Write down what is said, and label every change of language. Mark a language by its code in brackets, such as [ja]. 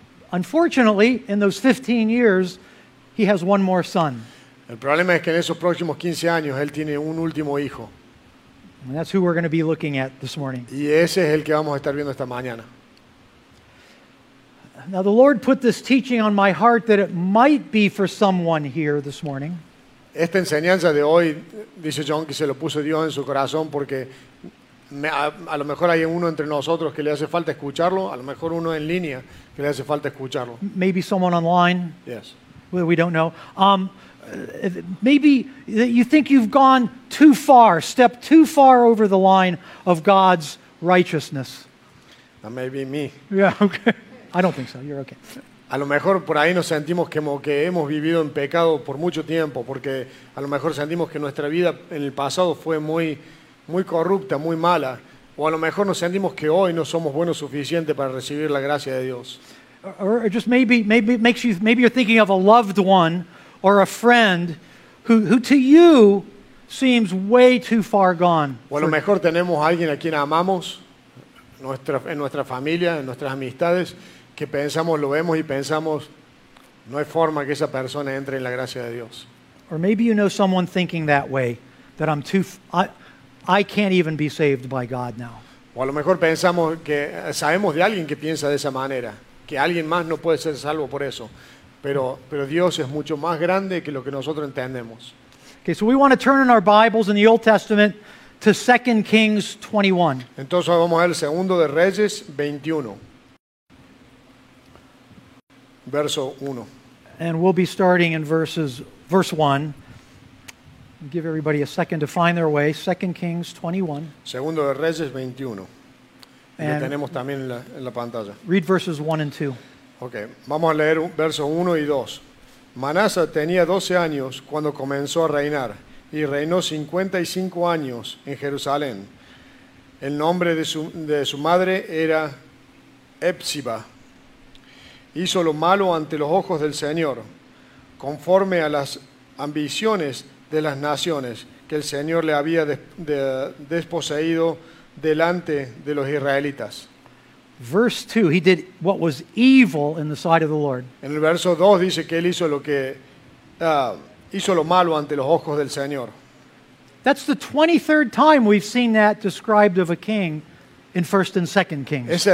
[en] Unfortunately, in those 15 years, he has one more son. [es] El problema es que en esos próximos 15 años, él tiene un último hijo. [en] And that's who we're going to be looking at this morning. [es] Y ese es el que vamos a estar viendo esta mañana. [en] Now the Lord put this teaching on my heart that it might be for someone here this morning. [es] Esta enseñanza de hoy, dice John, que se lo puso Dios en su corazón porque a lo mejor hay uno entre nosotros que le hace falta escucharlo, a lo mejor uno en línea que le hace falta escucharlo. [en] Maybe someone online. Yes. We don't know. Maybe you think you've gone too far, stepped too far over the line of God's righteousness. That may be me. Yeah, okay. I don't think so. You're okay. [es] A lo mejor por ahí nos sentimos que hemos vivido en pecado por mucho tiempo, porque a lo mejor sentimos que nuestra vida en el pasado fue muy, muy corrupta, muy mala, o a lo mejor nos sentimos que hoy no somos buenos suficientes para recibir la gracia de Dios. [en] Or just maybe you're thinking of a loved one or a friend who to you seems way too far gone. [es] O a lo mejor tenemos a alguien a quien amamos, en nuestra familia, en nuestras amistades, que pensamos, lo vemos y pensamos, no hay forma que esa persona entre en la gracia de Dios. [en] Or maybe you know someone thinking that way, that I can't even be saved by God now. [es] O a lo mejor pensamos que sabemos de alguien que piensa de esa manera, que alguien más no puede ser salvo por eso. Pero Dios es mucho más grande que lo que nosotros entendemos. [en] Okay, so we want to turn in our Bibles in the Old Testament to 2 Kings 21. [es] Entonces vamos al segundo de Reyes 21. Verso 1. [en] And we'll be starting in verse 1. I'll give everybody a second to find their way. 2 Kings 21. [es] Segundo de Reyes 21. Y lo tenemos también en la pantalla. [en] Read verses 1 and 2. [es] Okay, vamos a leer versos 1 y 2. Manasa tenía 12 años cuando comenzó a reinar, y reinó 55 años en Jerusalén. El nombre de su madre era Hepsiba. Hizo lo malo ante los ojos del Señor, conforme a las ambiciones de las naciones que el Señor le había desposeído delante de los israelitas. [en] Verse 2, he did what was evil in the sight of the Lord. [es] En el verso 2 dice que él hizo lo que hizo lo malo ante los ojos del Señor. [en] That's the 23rd time we've seen that described of a king in 1st and 2nd Kings.